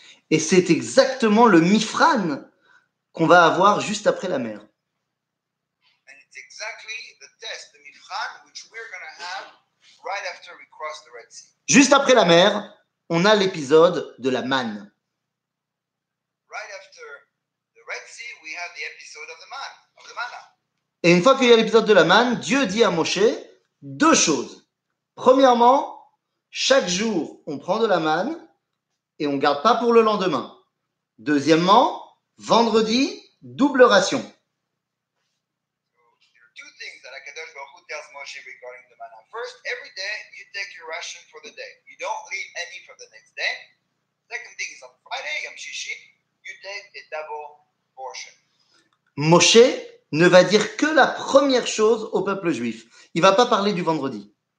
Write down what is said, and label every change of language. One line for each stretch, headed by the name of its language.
French: Et c'est exactement le Mifran qu'on va avoir juste après la mer.
English: And it's exactly the test, the Mifran, which we're gonna have right after we cross the Red Sea.
French: Juste après la mer, on a l'épisode de la manne.
English: Right after the Red Sea, we have the episode of the manne, of the manna.
French: Et une fois qu'il y a l'épisode de la manne, Dieu dit à Moshe deux choses. Premièrement, chaque jour, on prend de la manne et on ne garde pas pour le lendemain. Deuxièmement, vendredi, double ration.
English: There are two things that Akadosh Baruch Hu tells Moshe regarding the manna. First, every day you take your ration for the day. You don't leave any for the next day. Second thing is on Friday, Yom Shishi, you take a double portion.
French: Moshe ne va dire que la première chose au peuple juif. Il ne va pas parler du vendredi.